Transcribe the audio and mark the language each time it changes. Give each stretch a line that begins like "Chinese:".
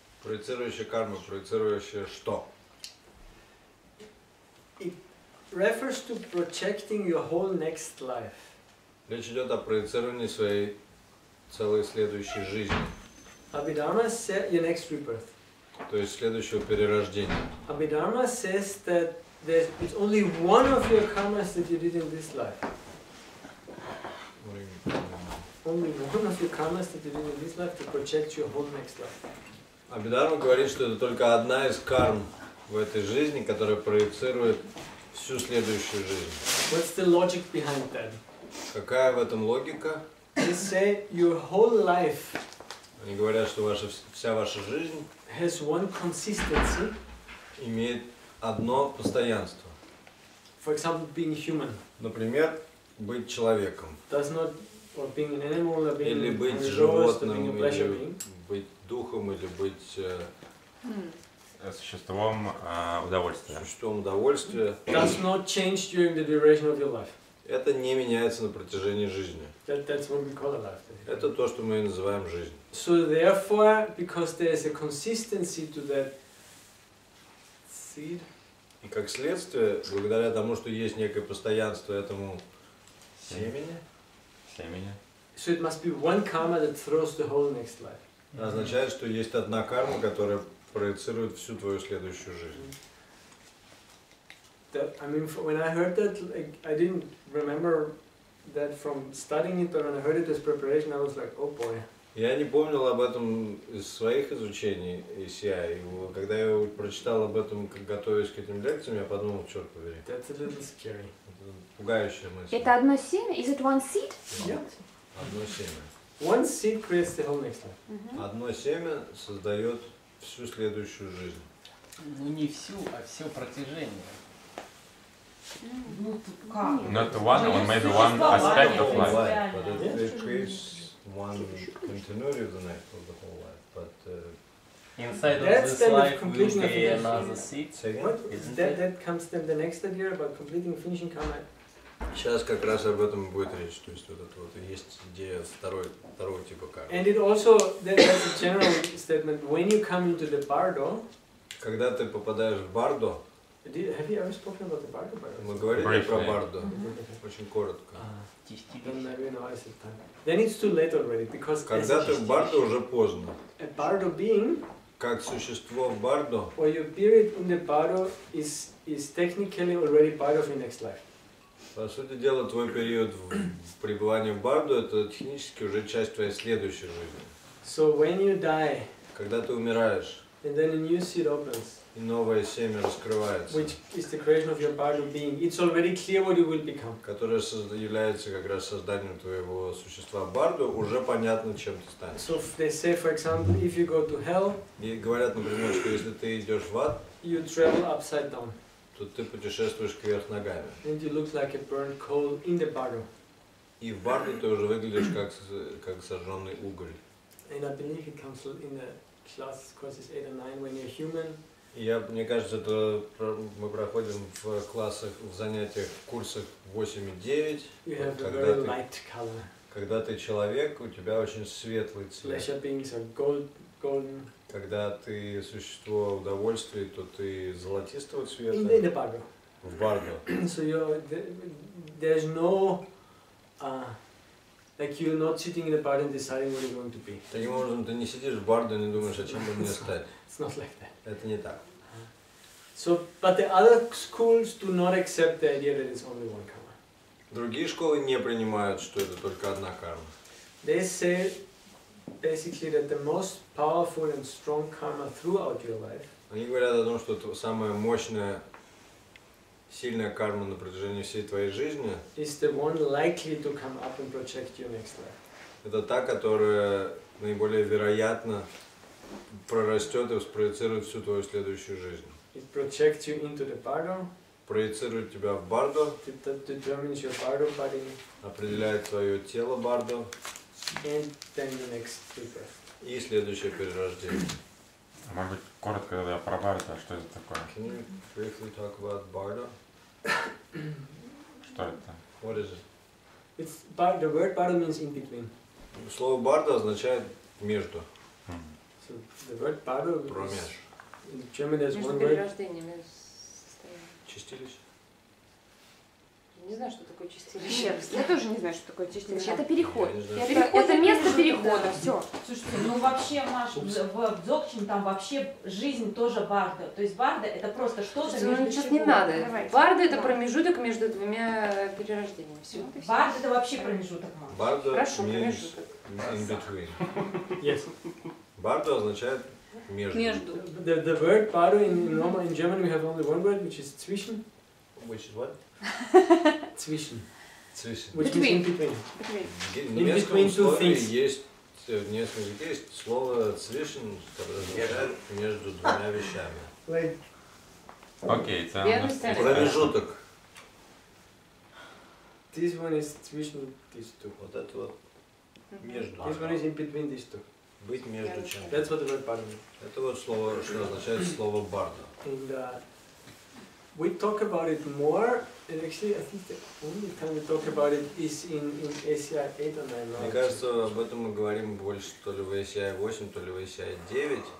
Russian: Проецирующая карма, проецирующая что?
English: It refers to projecting your whole next life.
Russian: Речь идет о проецировании своей целой следующей жизни.
English: Abhidharma says your next rebirth.
Russian: То есть следующего перерождения.
English: Abhidharma says that there is only one of your karmas that you did in this life. Only one of your karmas that you did in this life to project your whole next life.
Russian: Абхидхарма говорит, что это только одна из карм в этой жизни, которая проецирует всю следующую жизнь.
English: What's the logic behind that?
Russian: Какая в этом логика?
English: They say your whole life.
Russian: Они говорят, что вся ваша жизнь
English: has one consistency.
Russian: Имеет одно постоянство.
English: For example, being human.
Russian: Например, быть человеком.
English: Does not or being an animal or being
Russian: или быть
English: an
Russian: животным
English: or being a pleasure being.
Russian: Быть духом или быть существом удовольствия. Существом удовольствия.
English: Does not change during the duration of your life.
Russian: Это не меняется на протяжении жизни.
English: That's what we call life.
Russian: Это то, что мы и называем жизнь.
English: So therefore, because there is a consistency to that seed.
Russian: И как следствие, благодаря тому, что есть некое постоянство этому семени. Семени.
English: So it must be one karma that throws the whole next life.
Russian: Это означает, что есть одна карма, которая проецирует всю твою следующую жизнь.
English: That, I mean, when I heard that, like, I didn't remember that from studying it, but when I heard it as preparation, I was like, oh boy.
Russian: Я не помнил об этом из своих изучений ECI. Когда я прочитал об этом, готовясь к этим лекциям, я подумал, черт побери.
English: That's a little scary.
Russian: Пугающая мысль. Это одно семя?
English: Is it one seed? Yeah.
Russian: Одно семя.
English: One seed creates the whole next life. Mm-hmm.
Russian: Одно семя создает всю следующую жизнь. Ну не всю, а все протяжение. Ну тут как?
English: Not one, but maybe one aspect of life. But it creates one continuity of the next of the whole life. But inside of this life will be another seed. That comes then the next idea about completing finishing karma.
Russian: Сейчас как раз об этом и будет речь, то есть вот это вот есть идея второго типа кармы.
English: And it also that's a general statement. When you come into the bardo,
Russian: когда ты попадаешь в бардо,
English: have you ever spoken about the bardo?
Russian: Мы говорили про бардо, очень коротко.
English: Then it's too late already because
Russian: когда ты в бардо уже поздно.
English: A bardo being
Russian: как существо в бардо.
English: Or your spirit in the bardo is technically already part of your next life.
Russian: По сути дела, твой период пребывания в бардо это технически уже часть твоей следующей жизни.
English: So when you die.
Russian: Когда ты умираешь.
English: And then a new seed opens.
Russian: И новое семя раскрывается.
English: Which is the creation of your bardo being. It's already clear what you will become.
Russian: Которое является как раз созданием твоего существа в бардо, уже понятно, чем ты станешь.
English: So they say, for example, if you go to hell.
Russian: И говорят, например, что если ты идешь в ад.
English: You travel upside down.
Russian: То ты путешествуешь кверх ногами.
English: And you look like a burnt coal in the bardo.
Russian: И в бардо ты уже выглядишь как сожженный уголь.
English: And I believe it comes in the classes 8 and 9 when you're human.
Russian: Я, мне кажется, это мы проходим в классах, в занятиях, в курсах 8 и 9.
English: You have a very light color.
Russian: Когда ты человек, у тебя очень светлый цвет.
English: Flesh beings are golden.
Russian: Когда ты существо удовольствий, то ты золотистого цвета.
English: In the bardo.
Russian: В бардо.
English: So there's no like you're not sitting in the bardo and deciding what you're going to be.
Russian: Таким образом, ты не сидишь в бардо и не думаешь, о чем бы мне стать.
English: It's not like that.
Russian: Это не так.
English: So, but the other schools do not accept the idea that it's only one karma.
Russian: Другие школы не принимают, что это только одна карма.
English: They say basically that the most powerful and strong karma throughout your life.
Russian: Они говорят о том, что самая мощная, сильная карма на протяжении всей твоей жизни.
English: Is the one likely to come up and project your next life.
Russian: Это та, которая наиболее вероятно прорастет и спроецирует всю твою следующую жизнь.
English: It projects you into the bardo.
Russian: Проецирует тебя в бардо.
English: It determines your bardo body.
Russian: Определяет твое тело бардо.
English: And then the next rebirth.
Russian: И следующее перерождение. А может быть коротко тогда про бардо, что это такое?
English: Can you briefly talk about bardo?
Russian: Что это?
English: What is it? It's bardo. The word bardo means in between.
Russian: Слово бардо означает между.
English: So the word bardo in German is one
Russian: word. Чистилище. Не знаю, что такое чистилище. Я тоже не знаю, что такое чистилище. Это переход. Это место перехода. Все. Слушайте, ну вообще, Маш, в Дзогчен там вообще жизнь тоже бардо. То есть бардо это просто что-то между. Сейчас не надо. Бардо это промежуток между двумя перерождениями. Все. Бардо это вообще промежуток, Маш. Бардо промежуток.
English: Yes.
Russian: Bardo означает между.
English: The word bardo in German we have only one word, which is zwischen. Which is what? Zwischen. Zwischen. Which means in between. In between two things.
Russian: Есть в немецком языке есть слово zwischen, которое означает между двумя вещами. Окей, это промежуток.
English: This one is zwischen these two.
Russian: Вот это вот между.
English: This one is in between these two.
Russian: Быть между чем.
English: That's what the word bardo.
Russian: Это вот слово, что означает слово бардо.
English: And we talk about it more. And actually, I think the only time we talk about it is in ACI 8 or 9.
Russian: Мне кажется, об этом мы говорим больше, то ли в ACI 8, то ли в ACI 9.